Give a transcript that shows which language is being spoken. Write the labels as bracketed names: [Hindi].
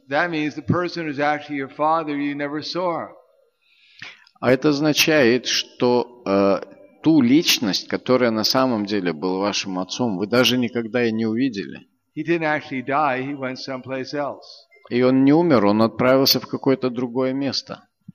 [English] That means the person who's actually your father you never saw. [Russian] А это означает, что ту личность, которая на самом деле была вашим отцом, вы даже никогда и не увидели. [English] He didn't actually die, he went someplace else. [Russian] И он не умер, он отправился в какое-то другое место.